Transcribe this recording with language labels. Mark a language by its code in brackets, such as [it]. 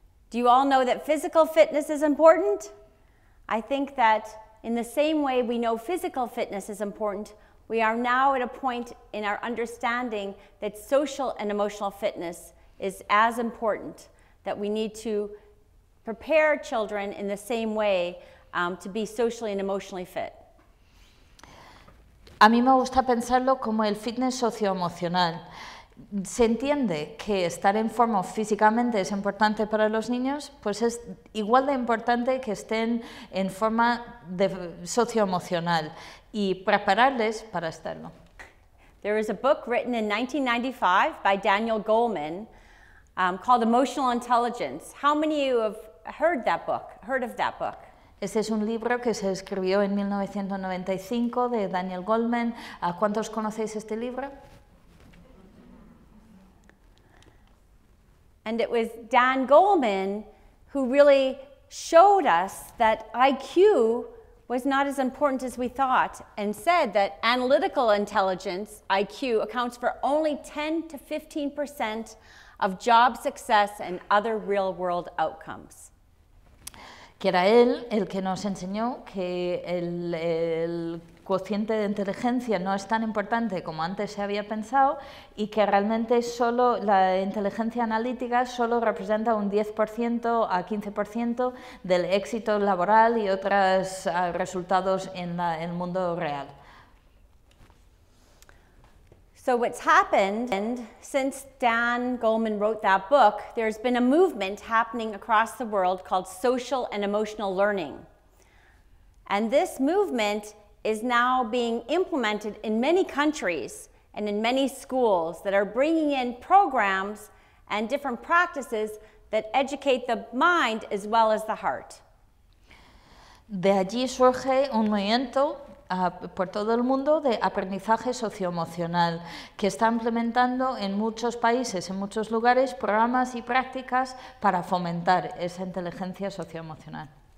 [en] Do you all know that physical fitness is important? I think that in the same way we know physical fitness is important, we are now at a point in our understanding that social and emotional fitness is as important, that we need to prepare children in the same way to be socially and emotionally fit. [es] A mí me gusta pensarlo como el fitness socioemocional. Se entiende que estar en forma físicamente es importante para los niños, pues es igual de importante que estén en forma de socioemocional y prepararles para estarlo. [en] There is a book written in 1995 by Daniel Goleman called Emotional Intelligence. How many of you have heard that book? Heard of that book? [es] Este es un libro que se escribió en 1995 de Daniel Goleman. ¿Cuántos conocéis este libro? [en] And it was Dan Goleman who really showed us that IQ was not as important as we thought and said that analytical intelligence, IQ, accounts for only 10 to 15% of job success and other real world outcomes. [es] Que era él el que nos enseñó que el cociente de inteligencia no es tan importante como antes se había pensado y que realmente solo la inteligencia analítica solo representa un 10% a 15% del éxito laboral y otros resultados en el mundo real. [en] So what's happened, and since Dan Goleman wrote that book, there's been a movement happening across the world called social and emotional learning. And this movement is now being implemented in many countries and in many schools that are bringing in programs and different practices that educate the mind as well as the heart. [es] De allí surge un movimiento por todo el mundo de aprendizaje socioemocional que está implementando en muchos países, en muchos lugares, programas y prácticas para fomentar esa inteligencia socioemocional.